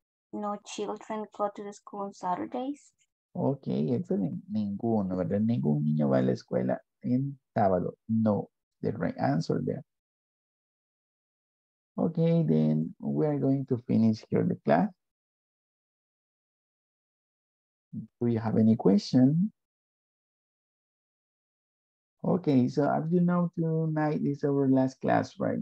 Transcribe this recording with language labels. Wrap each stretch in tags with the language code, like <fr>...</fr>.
<en>No children go to the school on Saturdays.</en> <es>Ok, excellent. Ninguno, ¿verdad? Ningún niño va a la escuela en sábado.</es> <en>No, the right answer there. Ok, then we are going to finish here the class. Do you have any question? Ok, so as you know, tonight is our last class, right?</en>